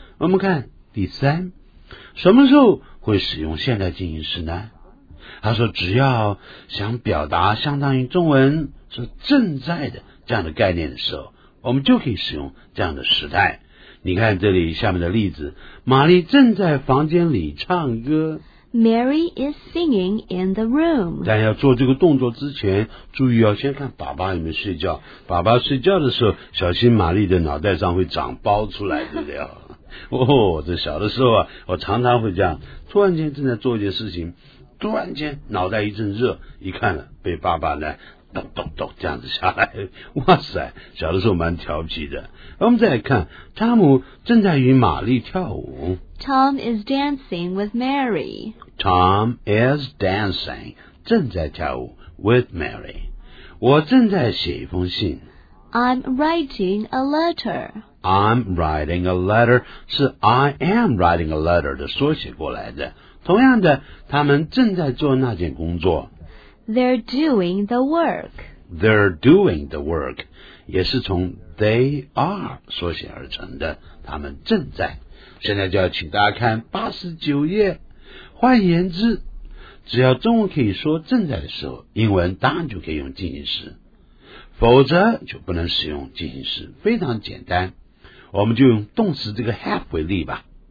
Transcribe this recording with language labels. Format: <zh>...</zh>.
<zh>我们看第三，什么时候会使用现在进行时呢？他说只要想表达相当于中文是正在的这样的概念的时候，我们就可以使用这样的时态。你看这里下面的例子，玛丽正在房间里唱歌。</zh> <en>Mary is singing in the room.</en> <zh>但要做这个动作之前，注意要先看爸爸有没有睡觉。爸爸睡觉的时候，小心玛丽的脑袋上会长包出来，对不对？这小的时候啊，我常常会这样，突然间正在做一件事情，突然间脑袋一阵热，一看了被爸爸呢咚咚咚这样子下来，哇塞，小的时候蛮调皮的。我们再来看，汤姆正在与玛丽跳舞。</zh> <en>Tom is dancing with Mary. Tom is dancing，</en> <zh>正在跳舞</zh> <en>with Mary。</en> <zh>我正在写一封信。</zh> <en>I'm writing a letter. I'm writing a letter</en> <zh>是</zh> <en>I am writing a letter</en> <zh>的缩写过来的。同样的，他们正在做那件工作。</zh> <en>They're doing the work. They're doing the work，</en> <zh>也是从</zh> <en>they are</en> <zh>缩写而成的，他们正在。现在就要请大家看89页。换言之，只要中文可以说正在的时候，英文当然就可以用进行时，否则就不能使用进行时。非常简单，我们就用动词这个 have 为例吧。</zh>